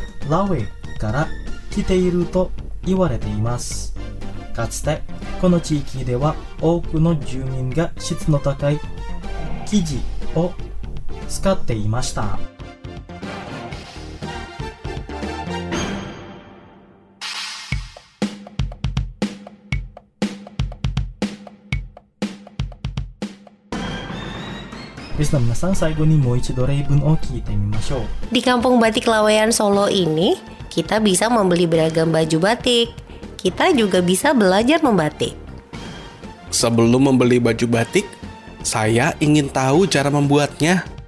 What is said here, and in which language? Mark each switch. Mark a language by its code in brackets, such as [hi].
[ja] Lawe kara kiteiru to言われています。かつてこの地域では多くの住民が質の高い生地を使っていました。リスナー皆さん、最後にもう一度例文を聞いてみましょう。 [id] Di kampung batik Lawean Solo ini, kita bisa membeli beragam baju batik. Kita juga bisa belajar membatik. Sebelum membeli baju batik, saya ingin tahu cara membuatnya.